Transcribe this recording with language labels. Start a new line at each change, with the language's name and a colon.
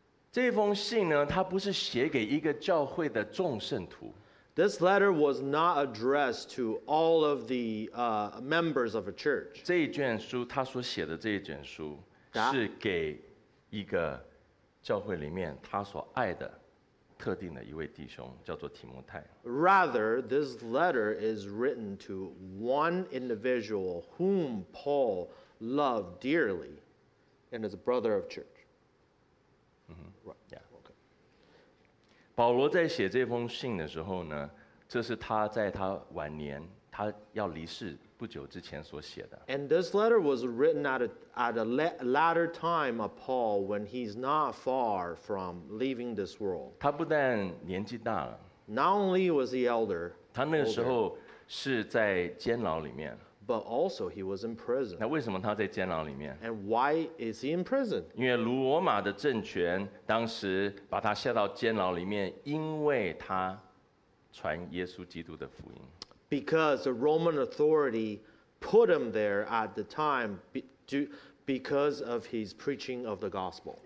Chinese: 这封信呢，它不是写给一个教会的众圣徒。
English: This letter was not addressed to all of the members of a church.
Chinese: 这一卷书，他所写的这一卷书，是给一个教会里面他所爱的特定的一位弟兄叫做提摩太。
English: Rather, this letter is written to one individual whom Paul loved dearly, and is a brother of church. Right. Yeah. Okay.
Chinese: 保罗在写这封信的时候呢，这是他在他晚年，他要离世不久之前所写的。
English: And this letter was written at a latter time of Paul when he's not far from leaving this world.
Chinese: 他不但年纪大了。
English: Not only was he elder.
Chinese: 他那个时候是在监牢里面。
English: But also he was in prison.
Chinese: 那为什么他在监牢里面？
English: And why is he in prison?
Chinese: 因为罗马的政权当时把他下到监牢里面，因为他传耶稣基督的福音。
English: Because the Roman authority put him there at the time because of his preaching of the gospel.